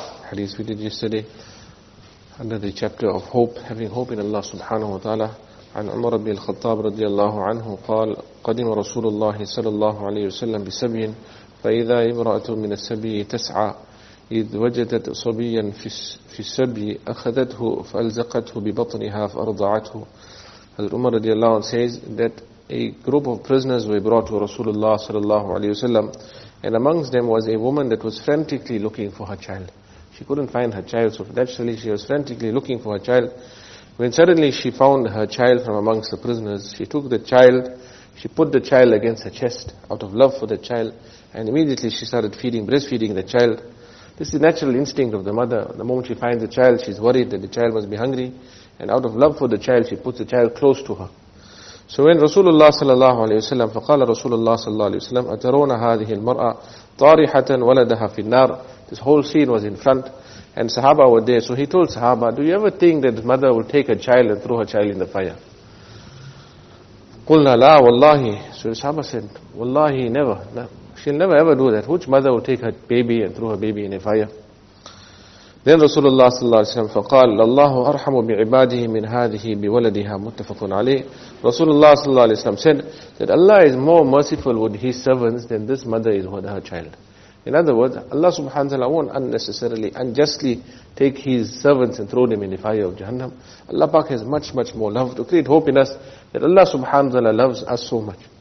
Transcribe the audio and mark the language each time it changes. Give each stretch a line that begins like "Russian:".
English: Hadith we did yesterday under the chapter of hope, having hope in Allah subhanahu wa ta'ala.
Arabic: عن عمر بن الخطاب رضي الله عنه قال قدم رسول الله صلى الله عليه وسلم بسبي فإذا امرأة من السبي تسعى إذ وجدت صبيا في السبي أخذته فألزقته ببطنها فأرضعته. عمر رضي الله عنه
English: says that a group of prisoners were brought to Rasulullah sallallahu alayhi wasallam, and amongst them was a woman that was frantically looking for her child. She couldn't find her child, so naturally she was frantically looking for her child. When suddenly she found her child from amongst the prisoners, she took the child, she put the child against her chest out of love for the child, and immediately she started feeding, breastfeeding the child. This is natural instinct of the mother. The moment she finds the child, she's worried that the child must be hungry, and out of love for the child, she puts the child close to her. So when
Arabic: Rasulullah sallallahu alayhi wa sallam, فقال Rasulullah sallallahu alayhi wa sallam, أترون هذه المرأة طارحة ولدها في النار.
English: This whole scene was in front, and Sahaba were there. So he told Sahaba, do you ever think that mother will take a child and throw her child in the fire?
Arabic: قلنا لا والله.
English: So Sahaba said,
Arabic: والله
English: never. No, she'll never ever do that. Which mother will take her baby and throw her baby in a fire? Then
Arabic: Rasulullah sallallahu alayhi wa sallam فقال الله أرحم بعباده من هذه بولدها. متفق عليه.
English: Rasulullah sallallahu alayhi wa sallam said that Allah is more merciful with his servants than this mother is with her child. In other words, Allah subhanahu wa ta'ala won't unnecessarily, unjustly take his servants and throw them in the fire of Jahannam. Allah Pak has much, much more love to create hope in us that Allah subhanahu wa ta'ala loves us so much.